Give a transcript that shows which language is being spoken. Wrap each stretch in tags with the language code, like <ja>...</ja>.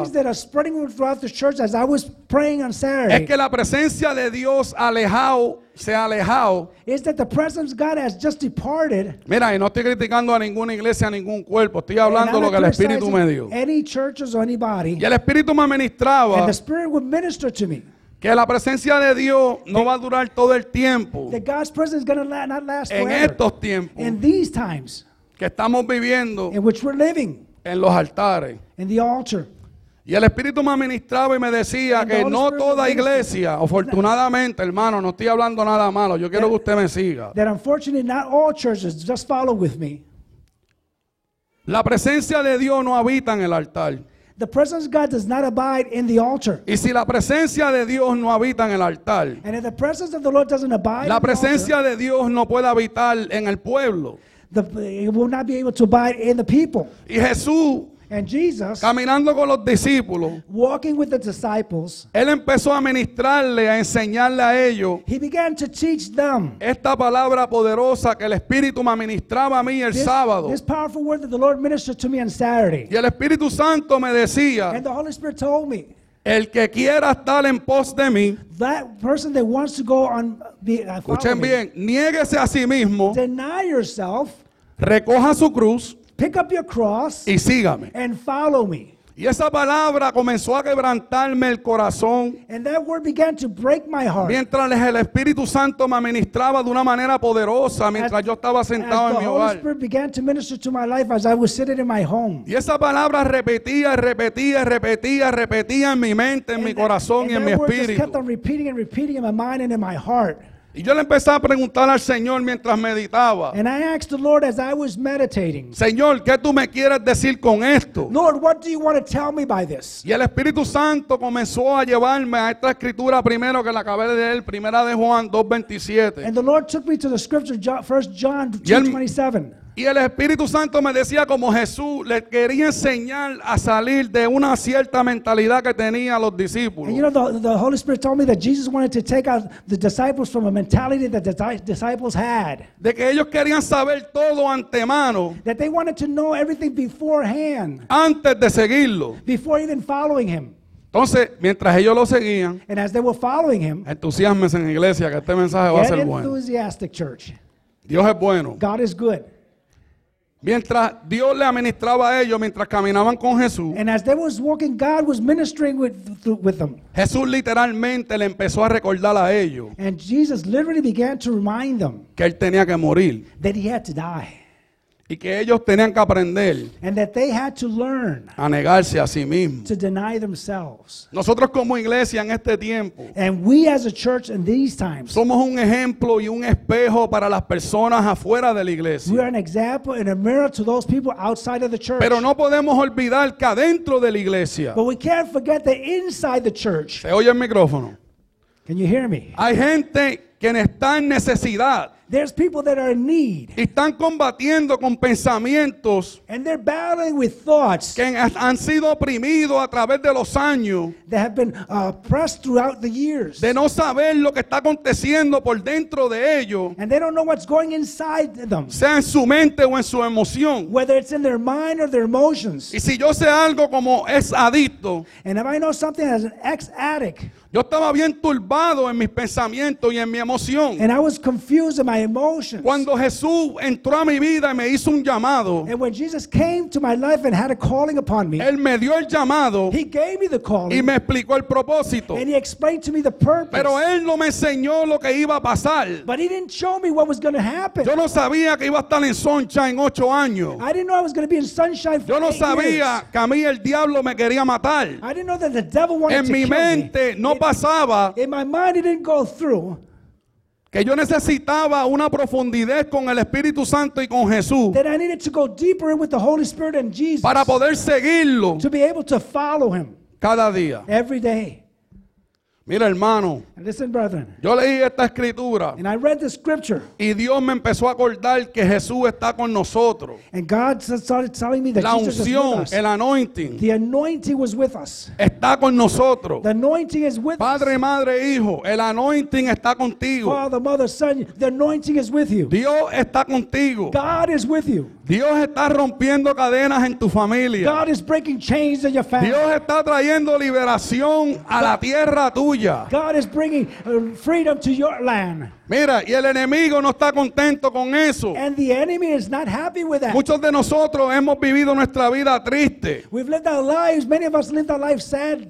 <en>And one of the things that are spreading throughout the church as I was praying on Saturday.</en> <es>Es que la presencia de Dios alejado. Se ha alejado.</es> <en>Is that the presence of God has just departed?</en> <es>Mira, y no estoy criticando a ninguna iglesia, a ningún cuerpo. Estoy hablando lo que el Espíritu me dio.</es> <en>Any churches or anybody.</en> <es>Y el Espíritu me ministraba.</es> <en>And the Spirit would minister to me.</en> <es>Que la presencia de Dios no va a durar todo el tiempo.</es> <en>That God's presence is going to not last forever.</en> <es>En estos tiempos.</es> <en>In these times.</en> <es>Que estamos viviendo.</es> <en>In which we're living.</en> <es>En los altares.</es> <en>In the altar.</en> <es>Y el Espíritu me ministraba y me decía que no toda iglesia, afortunadamente, hermano, no estoy hablando nada malo, yo quiero que usted me siga.</es> <en>That unfortunately not all churches, just follow with me.</en> <es>La presencia de Dios no habita en el altar.</es> <en>The presence of God does not abide in the altar.</en> <es>Y si la presencia de Dios no habita en el altar,</es> <en>and if the presence of the Lord doesn't abide,</en> <es>la presencia de Dios no puede habitar en el pueblo.</es> <en>It will not be able to abide in the people.</en> <es>Y Jesús,</es> <en>and Jesus,</en> <es>caminando con los discípulos,</es> <en>walking with the disciples,</en> <es>él empezó a ministrarle, a enseñarle a ellos,</es> <en>he began to teach them,</en> <es>esta palabra poderosa que el Espíritu me ministraba a mí el sábado,</es> <en>this powerful word that the Lord ministered to me on Saturday,</en> <es>y el Espíritu Santo me decía,</es> <en>and the Holy Spirit told me,</en> <es>el que quiera estar en pos de mí,</es> <en>that person that wants to go on,</en> <es>escuchen bien, niéguese a sí mismo,</es> <en>deny yourself,</en> <es>recoja su cruz,</es> <en>pick up your cross,</en> <es>y sígame,</es> <en>and follow me.</en> <es>Y esa palabra comenzó a quebrantarme el corazón,</es> <en>and that word began to break my heart,</en> <es>mientras el Espíritu Santo me ministraba de una manera poderosa, mientras yo estaba sentado en mi hogar.</es> <en>As the Holy Spirit began to minister to my life as I was sitting in my home.</en> <es>Y esa palabra repetía en mi mente, en mi corazón y en mi espíritu.</es> <en>And that word just kept on repeating and repeating in my mind and in my heart.</en> <es>Y yo le empecé a preguntar al Señor mientras meditaba.</es> <en>And I asked the Lord as I was meditating.</en> <es>Señor, ¿qué tú me quieres decir con esto?</es> <en>Lord, what do you want to tell me by this?</en> <es>Y el Espíritu Santo comenzó a llevarme a esta escritura primero que la acabé de leer, primera de Juan 2:27.</es> <en>And the Lord took me to the scripture, 1 John 2:27.</en> <es>Y el Espíritu Santo me decía como Jesús le quería enseñar a salir de una cierta mentalidad que tenía los discípulos.</es> <en>And you know, the Holy Spirit told me that Jesus wanted to take out the disciples from a mentality that the disciples had.</en> <es>De que ellos querían saber todo antemano.</es> <en>That they wanted to know everything beforehand.</en> <es>Antes de seguirlo.</es> <en>Before even following him.</en> <es>Entonces, mientras ellos lo seguían.</es> <en>And as they were following him.</en> <es>Entusiasmes en iglesia que este mensaje va a ser bueno.</es> <en>Get enthusiastic, church.</en> <es>Dios es bueno.</es> <en>God is good.</en> <es>Mientras Dios le administraba a ellos mientras caminaban con Jesús.</es> <en>And as they was walking, God was ministering with them.</en> <es>Jesús literalmente le empezó a recordar a ellos.</es> <en>And Jesus literally began to remind them.</en> <es>Que él tenía que morir.</es> <en>That he had to die.</en> <es>Y que ellos tenían que aprender.</es> <en>And that they had to learn.</en> <es>A negarse a sí mismos.</es> <en>To deny themselves.</en> <es>Nosotros como iglesia en este tiempo.</es> <en>And we as a church in these times.</en> <es>Somos un ejemplo y un espejo para las personas afuera de la iglesia.</es> <en>We are an example and a mirror to those people outside of the church.</en> <es>Pero no podemos olvidar que adentro de la iglesia.</es> <en>But we can't forget that inside the church.</en> <es>¿Se oye el micrófono?</es> <en>Can you hear me?</en> <es>Hay gente que está en necesidad.</es> <en>There's people that are in need.</en> <es>Y están combatiendo con pensamientos.</es> <en>And they're battling with thoughts.</en> <es>Que han sido oprimidos a través de los años.</es> <en>That have been oppressed throughout the years.</en> <es>De no saber lo que está aconteciendo por dentro de ellos.</es> <en>And they don't know what's going inside them.</en> <es>Sea en su mente o en su emoción.</es> <en>Whether it's in their mind or their emotions.</en> <es>Y si yo sé algo como ex adicto.</es> <en>And if I know something as an ex-addict.</en> <es>Yo estaba bien turbado en mis pensamientos y en mi emoción.</es> <en>And I was confused in my emotions.</en> <es>Cuando Jesús entró a mi vida y me hizo un llamado.</es> <en>And when Jesus came to my life and had a calling upon me.</en> <es>Él me dio el llamado.</es> <en>He gave me the calling.</en> <es>Y me explicó el propósito.</es> <en>And he explained to me the purpose.</en> <es>Pero él no me enseñó lo que iba a pasar.</es> <en>But he didn't show me what was going to happen.</en> <es>Yo no sabía que iba a estar en Sunshine en 8 años.</es> <en>I didn't know I was going to be in Sunshine for 8 years.</en> <es>Yo no sabía que a mí el diablo me quería matar.</es> <en>I didn't know that the devil wanted</en> <es>en</es> <en>to kill</en> <es>mente,</es> <en>me.</en> <es>No pasaba</es> <en>in my mind it didn't go through</en> <es>que yo necesitaba una profundidad con el Espíritu Santo y con Jesús</es> <en>that I needed to go deeper in with the Holy Spirit and Jesus</en> <es>para poder seguirlo</es> <en>to be able to follow him</en> <es>cada día</es> <en>every day.</en> <es>Mira hermano,</es> <en>listen, brethren,</en> <es>yo leí esta escritura</es> <en>and I read the scripture,</en> <es>y Dios me empezó a acordar que Jesús está con nosotros.</es> <en>And God started telling me that</en> <es>la unción,</es> <en>Jesus is with us. El anointing, the anointing was with us.</en> <es>Está con nosotros.</es> <en>The anointing is with</en> <es>Padre, madre, hijo, el anointing está contigo.</es> <en>Father, mother, son, the anointing is with you.</en> <es>Dios está contigo.</es> <en>God is with you.</en> <es>Dios está rompiendo cadenas en tu familia.</es> <en>God is breaking chains in your family.</en> <es>Dios está trayendo liberación a la tierra tuya.</es> <en>God is bringing freedom to your land.</en> <es>Mira, y el enemigo no está contento con eso.</es> <en>And the enemy is not happy with that.</en> <es>Muchos de nosotros hemos vivido nuestra vida triste.</es> <en>We've lived our lives, many of us lived our lives sad.</en>